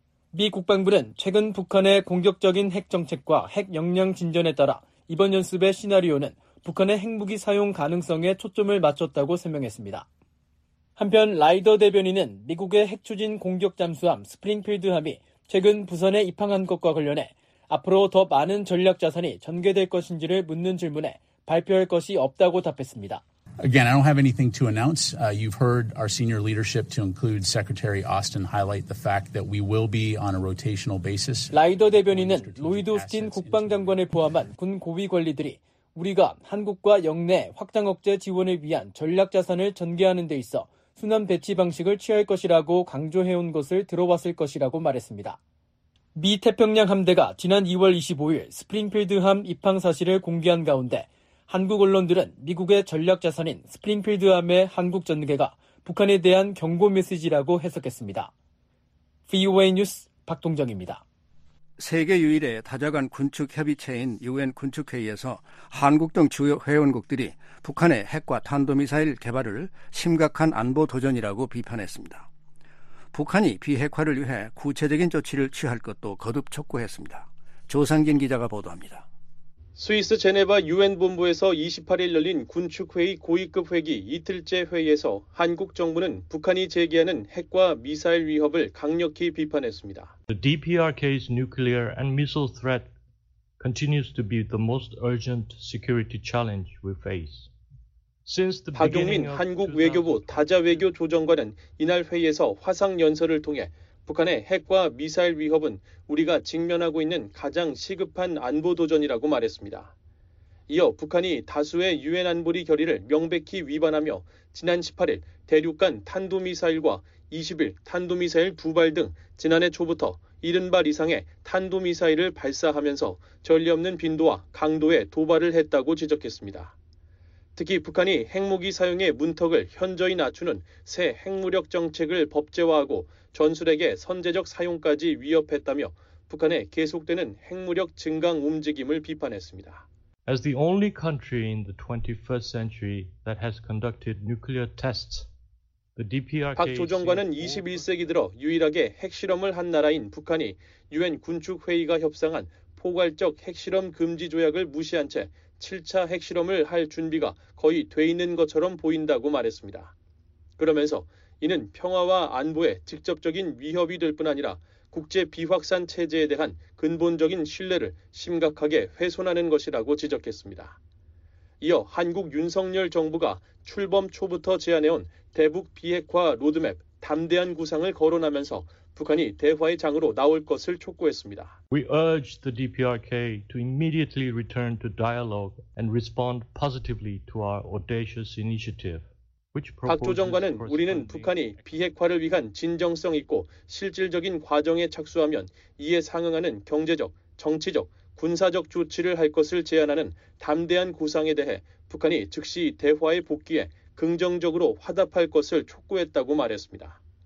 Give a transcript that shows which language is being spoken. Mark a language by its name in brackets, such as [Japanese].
[Korean] 미 국방부는 최근 북한의 공격적인 핵 정책과 핵 역량 진전에 따라 이번 연습의 시나리오는 북한의 핵무기 사용 가능성에 초점을 맞췄다고 설명했습니다. 한편 라이더 대변인은 미국의 핵 추진 공격 잠수함 스프링필드함이 최근 부산에 입항한 것과 관련해 앞으로 더 많은 전략 자산이 전개될 것인지를 묻는 질문에 발표할 것이 없다고 답했습니다. [English] Again, I don't have anything to announce. You've heard our senior leadership, to include Secretary Austin, highlight the fact that we will be on a rotational basis. [Korean] 라이더 대변인은 로이드 오스틴 국방장관을 포함한 군 고위 관리들이 우리가 한국과 영내 확장 억제 지원을 위한 전략 자산을 전개하는 데 있어 순환 배치 방식을 취할 것이라고 강조해온 것을 들어봤을 것이라고 말했습니다. 미 태평양 함대가 지난 2월 25일 스프링필드함 입항 사실을 공개한 가운데 한국 언론들은 미국의 전략 자산인 스프링필드함의 한국 전개가 북한에 대한 경고 메시지라고 해석했습니다. VOA 뉴스 박동정입니다. 세계 유일의 다자간 군축협의체인 유엔 군축회의에서 한국 등 주요 회원국들이 북한의 핵과 탄도미사일 개발을 심각한 안보 도전이라고 비판했습니다. 북한이 비핵화를 위해 구체적인 조치를 취할 것도 거듭 촉구했습니다. 조상진 기자가 보도합니다. 스위스 제네바 유엔 본부에서 28일 열린 군축회의 고위급 회기 이틀째 회의에서 한국 정부는 북한이 제기하는 핵과 미사일 위협을 강력히 비판했습니다. [English] The DPRK's nuclear and missile threat continues to be the most urgent security challenge we face. Since the [Korean] 박용민 한국 외교부 다자 외교 조정관은 이날 회의에서 화상 연설을 통해 북한의 핵과 미사일 위협은 우리가 직면하고 있는 가장 시급한 안보 도전이라고 말했습니다. 이어 북한이 다수의 유엔 안보리 결의를 명백히 위반하며 지난 18일 대륙간 탄도미사일과 20일 탄도미사일 두 발 등 지난해 초부터 70발 이상의 탄도미사일을 발사하면서 전례 없는 빈도와 강도의 도발을 했다고 지적했습니다. 특히 북한이 핵무기 사용의 문턱을 현저히 낮추는 새 핵무력 정책을 법제화하고 전술핵의 선제적 사용까지 위협했다며 북한의 계속되는 핵무력 증강 움직임을 비판했습니다. [English] As the only country in the 21st century that has conducted nuclear tests, the DPRK [Korean] 박 조정관은 21세기 들어 유일하게 핵실험을 한 나라인 북한이 유엔 군축 회의가 협상한 포괄적 핵실험 금지 조약을 무시한 채 7차 핵실험을 할 준비가 거의 돼 있는 것처럼 보인다고 말했습니다. 그러면서 이는 평화와 안보에 직접적인 위협이 될 뿐 아니라 국제 비확산 체제에 대한 근본적인 신뢰를 심각하게 훼손하는 것이라고 지적했습니다. 이어 한국 윤석열 정부가 출범 초부터 제안해온 대북 비핵화 로드맵 담대한 구상을 거론하면서 북한이 대화의 장으로 나올 것을 촉구했습니다. [English] We urge the DPRK to immediately return to dialogue and respond positively to our audacious initiative. [Korean] 박 조정관은 우리는 북한이 비핵화를 위한 진정성 있고 실질적인 과정에 착수하면 이에 상응하는 경제적, 정치적, 군사적 조치를 할 것을 제안하는 담대한 구상에 대해 북한이 즉시 대화에 복귀해 긍정적으로 화답할 것을 촉구했다고 말했습니다.